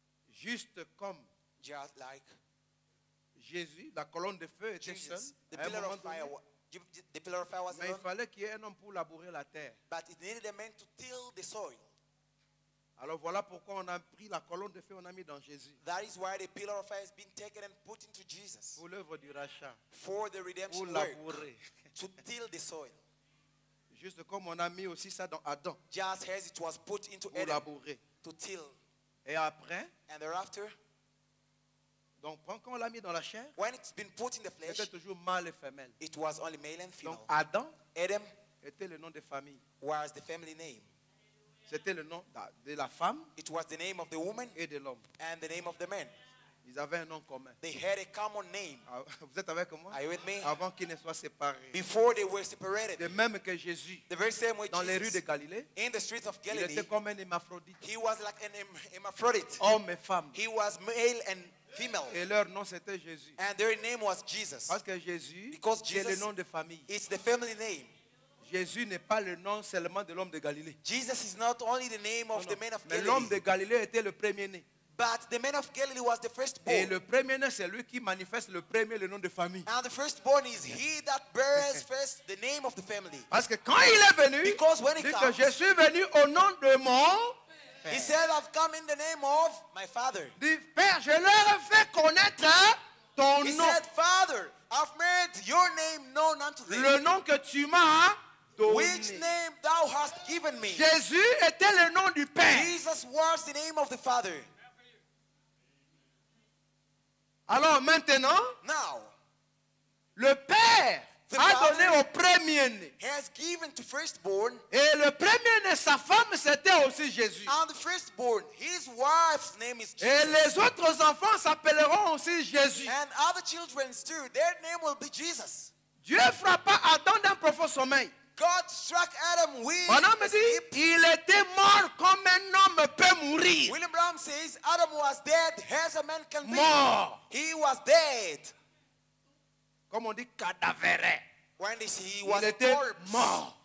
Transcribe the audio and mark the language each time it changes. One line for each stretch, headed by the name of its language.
French: Juste comme
English: just like
French: Jésus, la colonne de feu était
English: Jesus,
French: seul.
English: The pillar of fire. The pillar of fire was
French: mais
English: alone.
French: Il fallait qu'il y ait un homme pour labourer la terre.
English: But it needed a man to till the soil.
French: Alors voilà pourquoi on a pris la colonne de feu, on a mis dans Jésus.
English: That is why the pillar of fire has been taken and put into Jesus.
French: Pour l'œuvre du rachat.
English: For the redemption
French: pour labourer.
English: To till the soil.
French: Juste comme on a mis aussi ça dans Adam.
English: Just as it was put into
French: pour
English: Adam.
French: Pour labourer.
English: To till.
French: Et après?
English: And thereafter.
French: Donc quand on l'a mis dans la chair?
English: When it's been put in the flesh.
French: C'était toujours mâle et femelle.
English: It was only male and female.
French: Donc Adam.
English: Adam.
French: Était le nom de famille.
English: Was the family name.
French: C'était le nom de la femme.
English: It was the name of the woman.
French: Et de l'homme.
English: And the name of the man.
French: Ils avaient un nom commun.
English: They had a common name.
French: Vous êtes avec moi?
English: Are you with me?
French: Avant qu'ils ne soient séparés.
English: Before they were separated.
French: De même que Jésus.
English: The very same way
French: dans
English: Jesus,
French: les rues de Galilée.
English: In the streets of Galilee.
French: Il était comme un hermaphrodite.
English: He was like an hermaphrodite.
French: Homme et femme.
English: He was male and female.
French: Et leur nom c'était Jésus.
English: And their name was Jesus.
French: Parce que Jésus.
English: Because Jesus.
French: C'est le nom de famille.
English: It's the family name.
French: Jésus n'est pas le nom seulement de l'homme de Galilée.
English: Jesus is not only the name of
French: non,
English: the man of
French: Galilee. Mais l'homme de Galilée était le premier né.
English: But the man of Galilee was the firstborn.
French: Et le premier né c'est lui qui manifeste le premier le nom de famille.
English: And the firstborn is he that bears first the name of the family.
French: Parce que quand il est venu,
English: because when he
French: dit
English: comes,
French: que je suis venu au nom de mon père.
English: He said I've come in the name of my father.
French: Dit père, je leur ai fait connaître ton
English: he
French: nom.
English: He said father, I've made your name known unto thee.
French: Le nom que tu m'as donné.
English: Which name thou hast given me?
French: Jésus était le nom du Père.
English: Jesus was the name of the Father.
French: Alors maintenant,
English: now,
French: le Père a donné au premier né.
English: Has given to firstborn.
French: Et le premier né, sa femme, c'était aussi Jésus.
English: And the firstborn, his wife's name is Jesus.
French: Et les autres enfants s'appelleront aussi Jésus.
English: And other children too, their name will be Jesus.
French: Dieu frappa Adam d'un profond sommeil.
English: God struck Adam with
French: Branham
English: a sleep.
French: Il était mort comme un homme peut mourir.
English: William Branham says Adam was dead as a man can be.
French: Mort.
English: He was dead.
French: Comme on dit cadavéré.
English: When is he was
French: il était
English: corpse.
French: Mort.